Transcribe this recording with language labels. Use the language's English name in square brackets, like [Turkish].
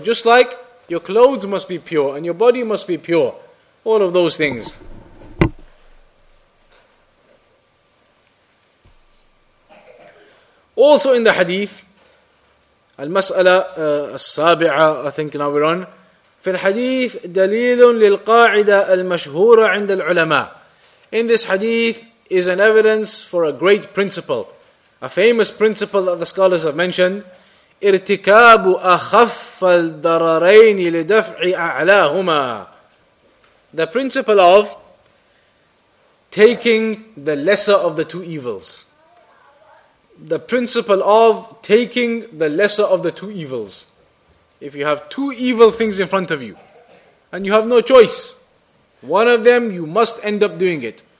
[English] Just like your clothes must be pure and your body must be pure. All of those things. Also in the hadith, al-mas'ala as-sabi'a, I think now we're on. [Arabic] في الحديث دليل للقاعدة المشهورة عند العلماء. [English] In this hadith is an evidence for a great principle, a famous principle that the scholars have mentioned. [Arabic] ارتكاب أخف الضررين لدفع أعلاهما. [English] The principle of taking the lesser of the two evils. The principle of taking the lesser of the two evils. If you have two evil things in front of you, and you have no choice, one of them you must end up doing it.